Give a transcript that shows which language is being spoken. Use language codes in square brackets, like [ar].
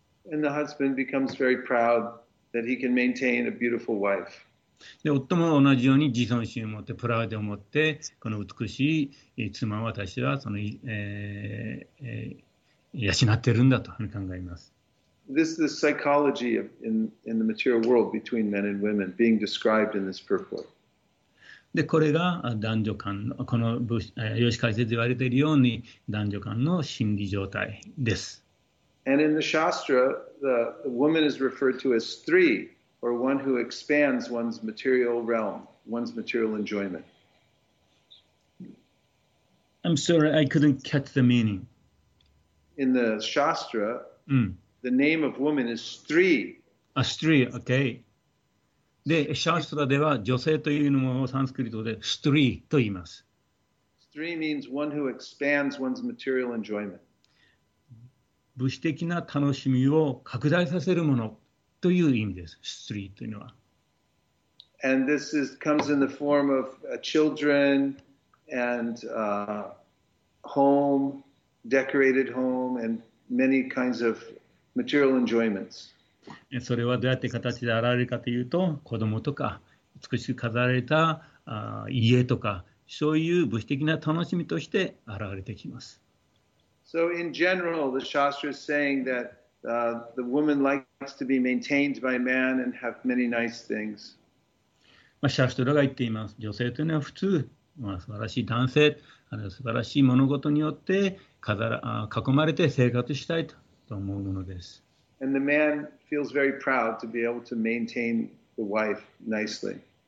[en] And the husband becomes very proud that he can maintain a beautiful wife. [ja] で夫も同じように自尊心を持って、プライドを持って、この美しい妻を私はその、養っているんだと考えます。 [en] This is the psychology of in the material world between men and women being described in this purport. [ja] でこれが男女間の、この吉解説で言われているように男女間の心理状態です。 [en] And in the Shastra, the woman is referred to as sthri. Or one who expands one's material realm, one's material enjoyment. I'm sorry, I couldn't catch the meaning. In the Shastra, the name of woman is Stri. Stri, okay. [ja] で、Shastra では女性というのをサンスクリットで Stri と言います。 [en] Stri means one who expands one's material enjoyment. [ja] 物質的な楽しみを拡大させるもの。という意味です。スリーというのは。 [en] And this is, comes in the form of children and home, decorated home, and many kinds of material enjoyments. [ja] それはどうやって形で現れるかというと、子供とか美しく飾られた家とか、そういう物質的な楽しみとして現れてきます。 [en] So in general, the Shastra is saying thatthe woman likes to be maintained by man and have many nice things. [ja] まあ、シャストラが言っています。女性というのは普通、まあ、素晴らしい男性、あの素晴らしい物事によって囲まれて生活したいと思うものです。 [en] And the man feels very proud to be able to maintain the wife nicely.